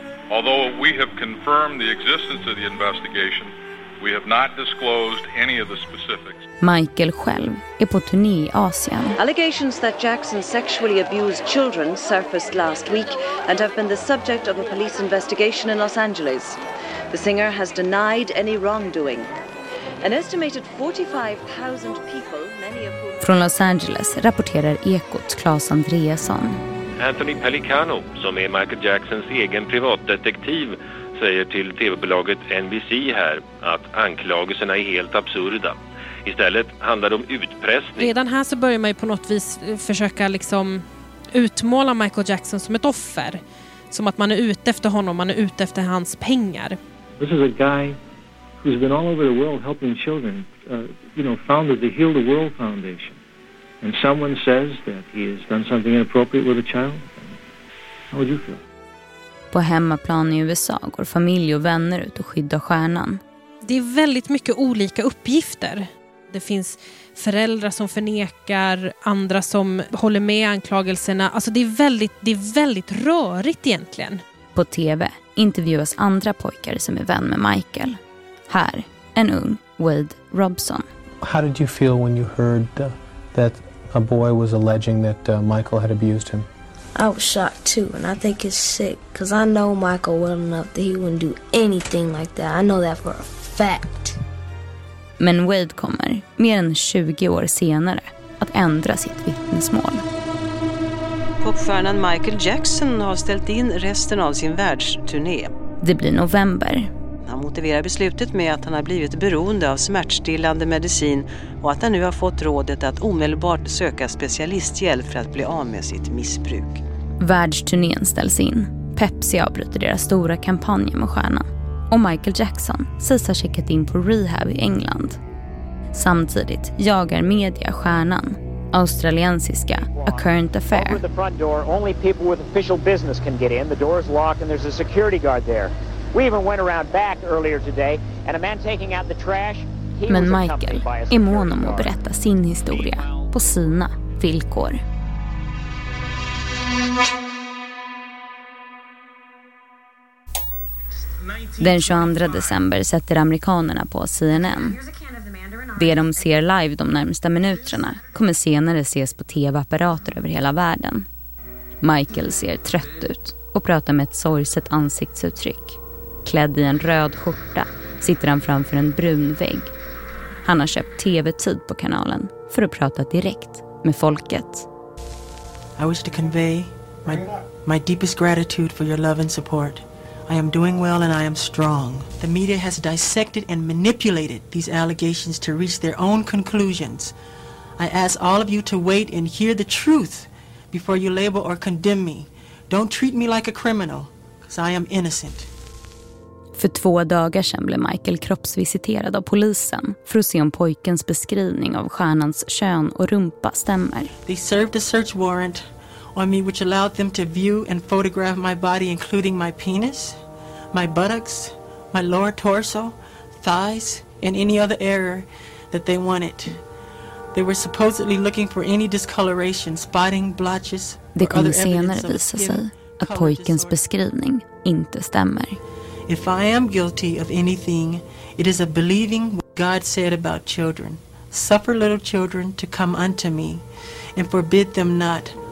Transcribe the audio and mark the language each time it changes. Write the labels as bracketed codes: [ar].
[en] Although we have confirmed the existence of the investigation, we have not disclosed any of the specifics. [sv] Michael själv är på turné i Asien. [en] Allegations that Jackson sexually abused children surfaced last week and have been the subject of a police investigation in Los Angeles. The singer has denied any wrongdoing. An estimated 45,000 people, many of whom... [sv] Från Los Angeles rapporterar Ekot Claes Andreasson. Anthony Pelicano, som är Michael Jacksons egen privatdetektiv, säger till TV-bolaget NBC här att anklagelserna är helt absurda. Istället handlar det om utpressning. Redan här så börjar man ju på något vis försöka liksom utmåla Michael Jackson som ett offer, som att man är ute efter honom, man är ute efter hans pengar. [en] This is a guy who's been all over the world helping children, you know, founded the Heal the World Foundation. And someone says that he has done something inappropriate with a child. How would you feel? [sv] På hemmaplan i USA går familj och vänner ut och skyddar stjärnan. Det är väldigt mycket olika uppgifter. Det finns föräldrar som förnekar, andra som håller med anklagelserna. Alltså det är väldigt rörigt egentligen. På TV intervjuas andra pojkar som är vän med Michael. Här, en ung Wade Robson. [en] How did you feel when you heard that a boy was alleging that Michael had abused him? I was shocked too, and I think it's sick because I know Michael well enough that he wouldn't do anything like that. I know that for a fact. [sv] Men Wade kommer, mer än 20 år senare, att ändra sitt vittnesmål. Popstjärnan Michael Jackson har ställt in resten av sin världsturné. Det blir november. Han motiverar beslutet med att han har blivit beroende av smärtstillande medicin och att han nu har fått rådet att omedelbart söka specialisthjälp för att bli av med sitt missbruk. Världsturnén ställs in. Pepsi avbryter deras stora kampanj med stjärnan. Och Michael Jackson sägs ha checkat in på rehab i England. Samtidigt jagar media stjärnan. Australiensiska A Current Affair. [en] Over the front door, only people with official business can get in. The door is locked and there's a security guard there. We even went around back earlier today and a man taking out the trash. [sv] Men Michael är mån om att berätta sin historia på sina villkor. Den 22 december sätter amerikanerna på CNN. Det de ser live de närmsta minuterna kommer senare ses på TV-apparater över hela världen. Michael ser trött ut och pratar med ett sorgset ansiktsuttryck. Klädd i en röd skjorta sitter han framför en brun vägg. Han har köpt TV-tid på kanalen för att prata direkt med folket. [en] I wish to convey my deepest gratitude for your love and support. I am doing well and I am strong. The media has dissected and manipulated these allegations to reach their own conclusions. I ask all of you to wait and hear the truth before you label or condemn me. Don't treat me like a criminal, because I am innocent. [sv] För 2 dagar sedan blev Michael kroppsvisiterad av polisen för att se om pojkens beskrivning av stjärnans kön och rumpa stämmer. [en] They served a search warrant on me which allowed them to view and photograph my body including my penis, my buttocks, my lower torso, thighs and any other area that they wanted. They were supposedly looking for any discoloration, spotting, blotches. [sv] Det kommer senare visa sig att pojkens beskrivning inte stämmer. [en] If I am guilty of anything, it is a believing what God said about children. Suffer little children to come unto me and forbid them not.